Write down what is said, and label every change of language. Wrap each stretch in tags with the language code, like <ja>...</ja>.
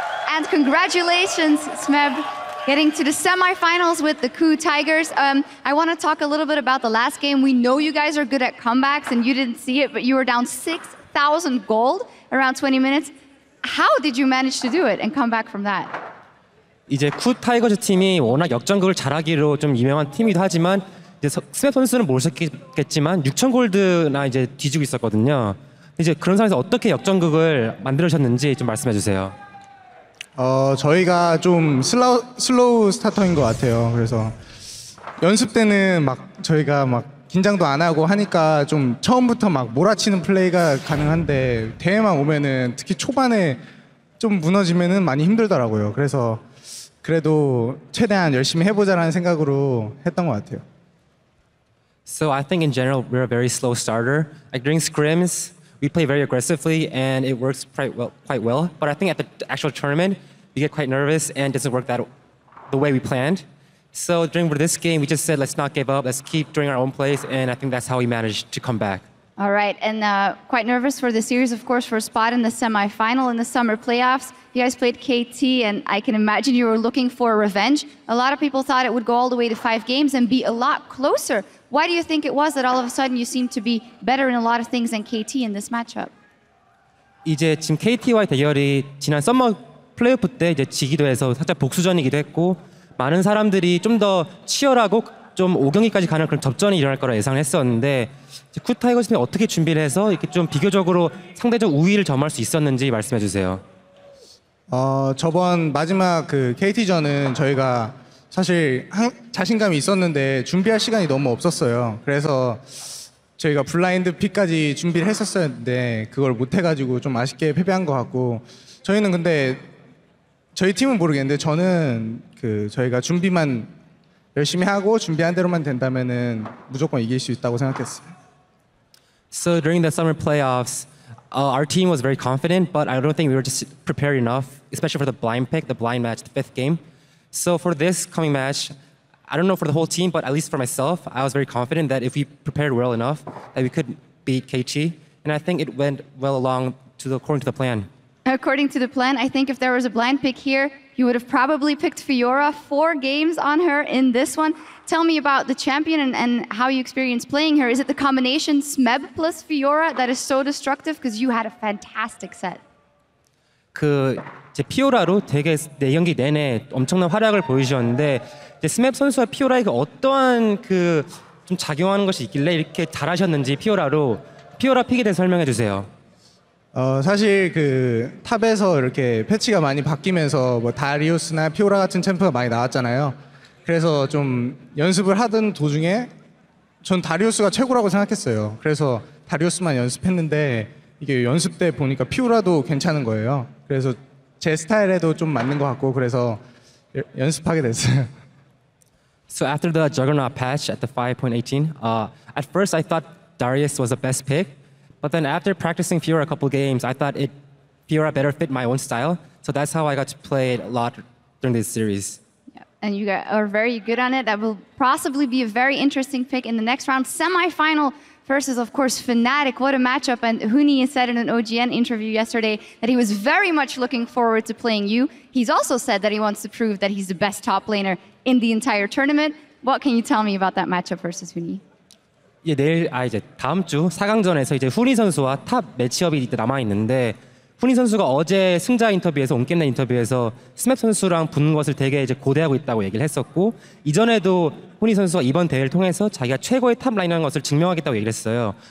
<en>And congratulations, SMEB, getting to the semifinals with the KU Tigers. I want to talk a little bit about the last game. We know you guys are good at comebacks, and you didn't see it, but you were down 6,000 gold around 20 minutes. How did you manage to do it and come back from that?</en> <ko>이제 쿠 타이거즈 팀이 워낙 역전극을 잘하기로 좀 유명한 팀이기도 하지만 이제 스맵 선수는 모르셨겠지만 6천 골드나 이제 뒤지고 있었거든요. 이제 그런 상황에서 어떻게 역전극을 만들어셨는지 좀 말씀해 주세요. 저희가 좀 슬로우 스타터인 것 같아요. 그래서 연습 때는 막 저희가 막 긴장도 안 하고 하니까 좀 처음부터 막 몰아치는 플레이가 가능한데 대회만 오면은 특히 초반에 좀 무너지면은 많이 힘들더라고요. 그래서 그래도 최대한 열심히 해보자라는 생각으로 했던 것 같아요.</ko> <en>So I think in general we're a very slow starter. Like during scrims, we play very aggressively and it works quite well. But I think at the actual tournament, we get quite nervous and doesn't work the way we planned. So during this game, we just said, let's not give up. Let's keep doing our own plays. And I think that's how we managed to come back. All right. And quite nervous for the series, of course, for a spot in the semifinal in the summer playoffs. You guys played KT, and I can imagine you were looking for revenge. A lot of people thought it would go all the way to five games and be a lot closer. Why do you think it was that all of a sudden you seemed to be better in a lot of things than KT in this matchup?</en> <ko>이제 지금 KT와의 대결이 지난 썸머 플레이오프 때 이제 지기도 해서 살짝 복수전이기도 했고, 많은 사람들이 좀 더 치열하고 좀 5경기까지 가는 그런 접전이 일어날 거라 예상했었는데 쿠 타이거즈는 어떻게 준비를 해서 이렇게 좀 비교적으로 상대적 우위를 점할 수 있었는지 말씀해 주세요. 저번 마지막 그 KT전은 저희가 사실 자신감이 있었는데 준비할 시간이 너무 없었어요. 그래서 저희가 블라인드 픽까지 준비를 했었었는데 그걸 못 해가지고 좀 아쉽게 패배한 것 같고 저희는 근데 저희 팀은 모르겠는데 저는 그 저희가 준비만 열심히 하고 준비한 대로만 된다면은 무조건 이길 수 있다고 생각했어요.</ko> <en>So during the summer playoffs, our team was very confident, but I don't think we were just prepared enough, especially for the blind pick, the blind match, the fifth game. So for this coming match, I don't know for the whole team, but at least for myself, I was very confident that if we prepared well enough, that we could beat KT, and I think it went well along to the, according to the plan. According to the plan, I think if there was a blind pick here, you would have probably picked Fiora. Four games on her in this one. Tell me about the champion and how you experienced playing her. Is it the combination SMEB plus Fiora that is so destructive? Because you had a fantastic set.</en> <ko>그 이제 피오라로 되게 네 경기 내내 엄청난 활약을 보이셨는데 이제 SMEB 선수와 피오라에게 어떠한 그 좀 작용하는 것이 있길래 이렇게 잘하셨는지 피오라로 피오라 픽에 대해 설명해 주세요. 사실 그 탑에서 이렇게 패치가 많이 바뀌면서 뭐 다리우스나 피오라 같은 챔프가 많이 나왔잖아요. 그래서 좀 연습을 하던 도중에 전 다리우스가 최고라고 생각했어요. 그래서 다리우스만 연습했는데 이게 연습 때 보니까 피오라도 괜찮은 거예요. 그래서 제 스타일에도 좀 맞는 것 같고 그래서 연습하게 됐어요.</ko> <en>So after the Juggernaut patch at the 5.18, at first I thought Darius was the best pick. But then after practicing Fiora a couple games, I thought Fiora better fit my own style. So that's how I got to play it a lot during this series. Yeah, and you are very good on it. That will possibly be a very interesting pick in the next round. Semi-final versus, of course, Fnatic. What a matchup. And Huni said in an OGN interview yesterday that he was very much looking forward to playing you. He's also said that he wants to prove that he's the best top laner in the entire tournament. What can you tell me about that matchup versus Huni?</en> <ko>예, 내일 이제 다음 주 4강전에서 이제 후니 선수와 탑 매치업이 남아 있는데 후니 선수가 어제 승자 인터뷰에서 온겐나 인터뷰에서 스맵 선수랑 붙는 것을 되게 이제 고대하고 있다고 얘기를 했었고 이전에도 후니 선수가 이번 대회를 통해서 자기가 최고의 탑 라인이라는 것을 증명하겠다고 얘기를 했어요.</ko>